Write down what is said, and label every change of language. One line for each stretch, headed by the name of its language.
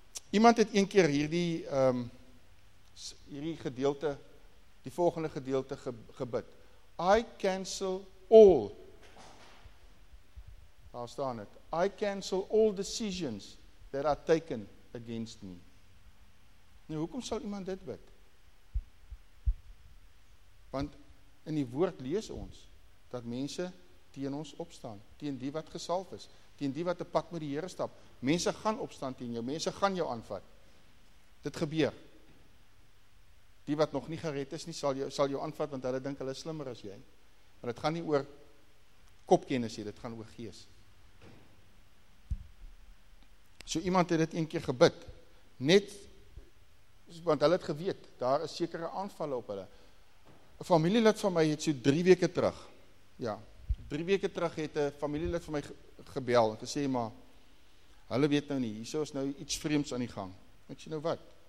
Afrikaans: Iemand het een keer hierdie hierdie gedeelte, die volgende gedeelte gebid.
English: I cancel all
Afrikaans: Daar staan het.
English: I cancel all decisions that are taken against me.
Afrikaans: Nou, hoekom sal iemand dit bid? Want in die woord lees ons dat mense teen ons opstaan, teen die wat gesalf is, teen die wat 'n pad met die Here stap. Mense gaan opstaan teen jou, mense gaan jou aanvat. Dit gebeur. Die wat nog nie gered is nie, sal jou aanvat, want hulle dink hulle slimmer as jy. Maar dit gaan nie oor kopkennis nie, dit gaan oor gees. So iemand het dit een keer gebid, net, want hulle het geweet, daar is sekere aanvalle op hulle. Een familielid van my het so 3 weke terug, ja, 3 weke terug het een familielid van my gebel, en gesê, maar, hulle weet nou nie, hierso is nou iets vreemds aan die gang. Ek sê, nou wat?